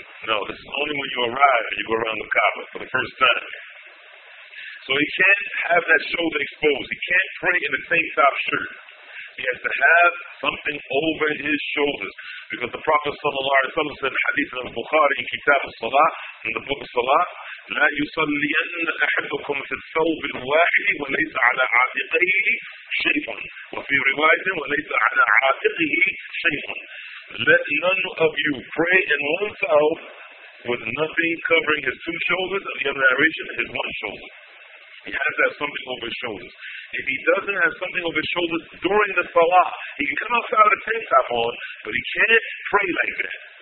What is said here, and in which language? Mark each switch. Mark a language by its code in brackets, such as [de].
[en] No, this is only when you arrive and you go around the Kaaba for the first time. So he can't have that shoulder exposed. He can't pray in a tank top shirt. He has to have something over his shoulders. Because the Prophet ﷺ said in the Hadith of Bukhari in Kitab al-Salah, in the book of Salah, [ar] لا يصلين أحدكم في الثوب الواحد وليس على عاتقيه شيء، وفي رواية وليس على عاتقه شيء. [en] Let none of you pray in one thobe with nothing covering his two shoulders, and the other narration, his one shoulder. He has to have something over his shoulders. If he doesn't have something over his shoulders during the salah, he can come outside with a tank top on, but he can't pray like that.